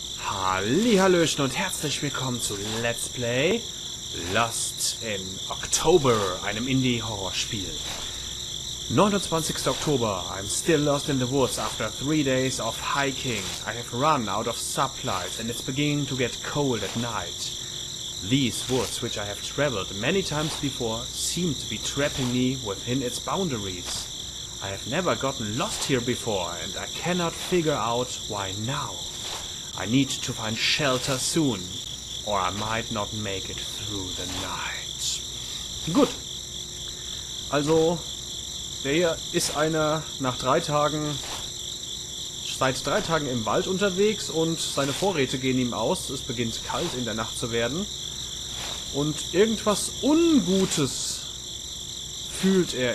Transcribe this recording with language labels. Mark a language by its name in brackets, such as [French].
[German] Hallihallöchen und herzlich willkommen zu Let's Play Lost in October, einem Indie-Horrorspiel. [English] 29. Oktober, I'm still lost in the woods after 3 days of hiking. I have run out of supplies and it's beginning to get cold at night. These woods, which I have traveled many times before, seem to be trapping me within its boundaries. I have never gotten lost here before and I cannot figure out why now. I need to find shelter soon, or I might not make it through the night. [German] Gut. Also, der hier ist einer nach 3 Tagen, seit 3 Tagen im Wald unterwegs und seine Vorräte gehen ihm aus. Es beginnt kalt in der Nacht zu werden. Und irgendwas Ungutes fühlt er.